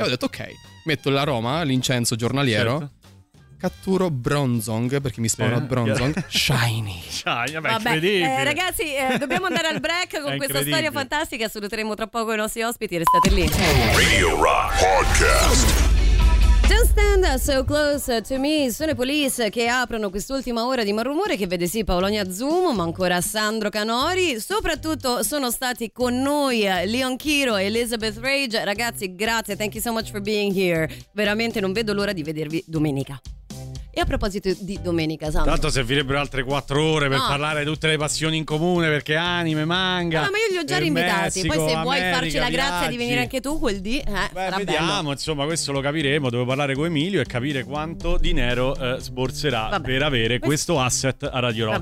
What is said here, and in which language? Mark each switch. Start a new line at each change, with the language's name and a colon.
Italian: E ho detto ok, metto l'aroma, l'incenso giornaliero, catturo Bronzong, perché mi spawna Bronzong, shiny. Shiny, vabbè, incredibile. Ragazzi, dobbiamo andare al break con questa storia fantastica, saluteremo tra poco i nostri ospiti, restate lì. Radio Rock Podcast.
English: Don't stand so close to me.
Italian: Sono i Police che aprono quest'ultima ora di Marrumore, che vede sì Paolonia Zoom, ma ancora Sandro Canori. Soprattutto sono stati con noi Leon Kiro e Elizabeth Rage. Ragazzi, grazie,
English: thank you so much for being here.
Italian: Veramente non vedo l'ora di vedervi domenica. E a proposito di domenica, Sandro, tanto servirebbero altre 4 ore per parlare di tutte le passioni in comune, perché anime, manga. Ma io li ho già rinvitati. Messico, poi, se vuoi America, farci la grazia viaggi. Di venire anche tu quel dì, beh, vediamo. Bello. Insomma, questo lo capiremo. Devo parlare con Emilio e capire quanto dinero sborserà per avere questo asset a Radio Rock.